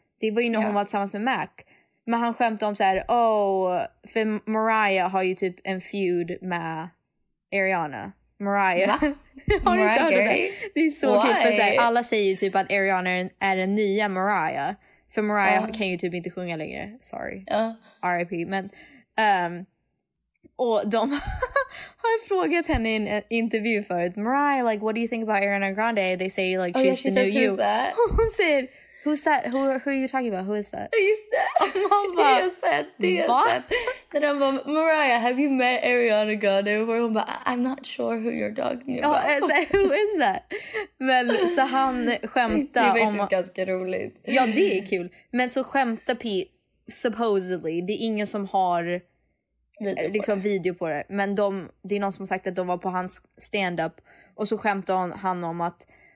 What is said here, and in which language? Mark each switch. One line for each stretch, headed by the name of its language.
Swedish: Det var ju när hon var tillsammans med Mac. Men han skämtade om så här, för Mariah har ju typ en feud med Ariana. Mariah. Det är så kul, för så här, alla säger ju typ att Ariana är den nya Mariah. För Mariah kan ju typ inte sjunga längre. Sorry. R.I.P. Men, och de har frågat henne i en intervju förut.
English: Mariah, like, what do you think about Ariana Grande? They say, like, she's the new you.
Swedish: Hon säger...
English: Who's that? Who are you talking about? Who is that? Who's that?
Swedish: Det är Seth.
English: Then I'm like, Mariah, have you met Ariana Grande? Where I'm like, I'm not sure who you're talking about. Oh, so who is that?
Swedish: Men så han skämtade om... Det är faktiskt ganska roligt. Ja, det är kul. Men så skämtade Pete, supposedly. Det är ingen som har video på det. Men det är någon som har sagt att de var på hans stand-up. Och så skämtade han om att...